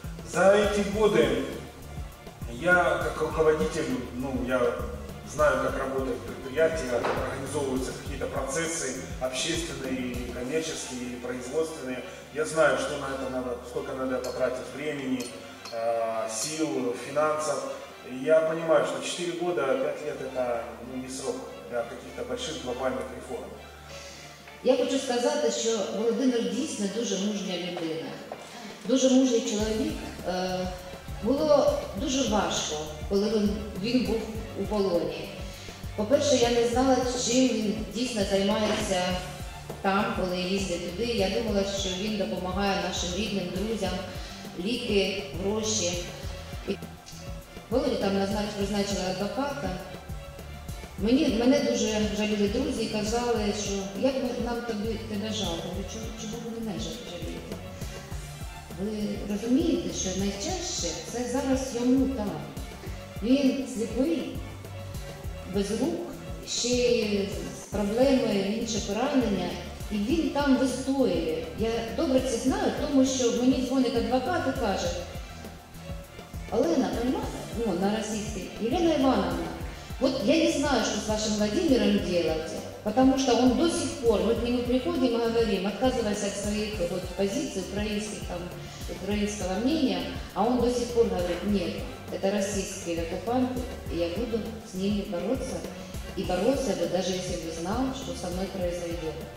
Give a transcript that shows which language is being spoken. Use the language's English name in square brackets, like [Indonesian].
[Russian] За эти годы я как руководитель, ну, я знаю, как работают предприятия, организовываются какие-то процессы общественные, коммерческие, производственные. Я знаю, что на это надо, сколько надо потратить времени, сил, финансов. Я понимаю, что 4 года, 5 лет – это, ну, не срок для каких-то больших глобальных реформ. [Ukrainian] Я хочу сказати, що Володимир дійсно дуже мужня людина, дуже мужній чоловік. Було дуже важко, коли він був у полоні. По-перше, я не знала, чим він дійсно займається там, коли їздить туди. Я думала, що він допомагає нашим рідним, друзям, ліки, гроші. Володі там призначили адвоката. Мене дуже жаліли друзі і казали, що як нам тебе жалко, чому вони не жаліти? Ви розумієте, що найчастіше це зараз йому там. Він сліпий, без рук, ще з проблемою, інше поранення, і він там вистоює. Я добре це знаю, тому що мені дзвонить адвокат і каже: «Олена, понимаєте?» На російській, [Russian] «Єлена Івановна, вот я не знаю, что с вашим Владимиром делать, потому что он до сих пор, вот к нему приходим и говорим, отказываясь от своих вот позиций украинских, там, украинского мнения, а он до сих пор говорит: нет, это российские оккупанты, и я буду с ними бороться, и бороться бы, даже если бы знал, что со мной произойдет».